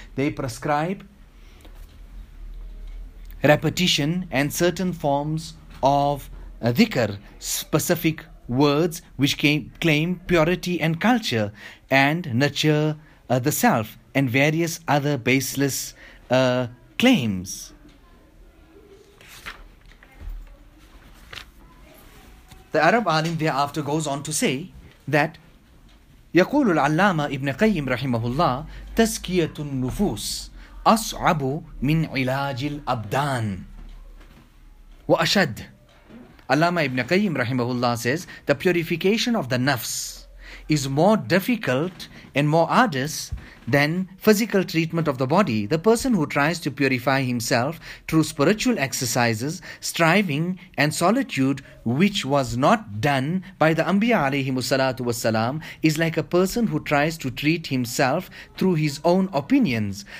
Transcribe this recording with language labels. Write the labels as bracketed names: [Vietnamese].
[English] They prescribe repetition and certain forms of dhikr, specific words which claim purity and culture, and nurture the self, and various other baseless claims. The Arab alim thereafter goes on to say that [Arabic] يقول العلامة ابن قيم رحمه الله تزكية النفوس أصعب من علاج الأبدان وأشد. [English] Allama ibn Qayyim rahimahullah says, the purification of the nafs is more difficult and more arduous than physical treatment of the body. The person who tries to purify himself through spiritual exercises, striving and solitude, which was not done by the Anbiya alayhi musallatu wassalam, is like a person who tries to treat himself through his own opinions.